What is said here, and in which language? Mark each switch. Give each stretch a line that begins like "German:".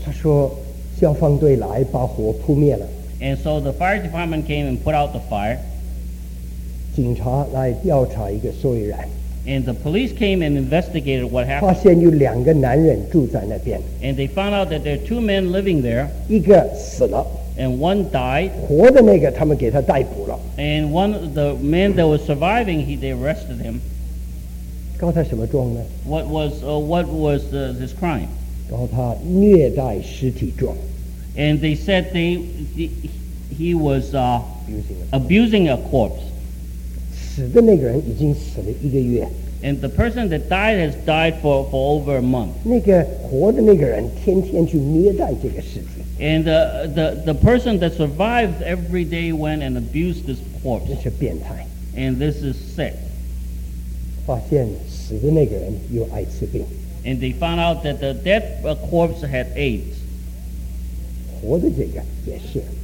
Chinese: 他说, 消防队来, 把火扑灭了,
English: and so the fire department came and put out the fire.
Chinese: 警察来调查一个所以然,
English: and the police came and investigated what happened.
Chinese: 发现有两个男人住在那边,
English: and they found out that there are two men living there.
Chinese: 一个死了,
English: and one died.
Chinese: 活的那个, 他们给他逮捕了,
English: and one of the men that was surviving, they arrested him.
Chinese: 告他什么状呢?
English: What was his crime?
Chinese: 告他虐待尸体状,
English: and they said he was abusing a corpse.
Chinese: 死的那个人已经死了一个月,
English: and the person that died has died for over a month.
Chinese: 那个活的那个人天天去虐待这个尸体,
English: and the person that survived every day went and abused this corpse.
Chinese: 这是变态,
English: and this is sick.
Chinese: 发现死的那个人有艾滋病,
English: and they found out that the dead corpse had AIDS.
Chinese: 活的这个也是,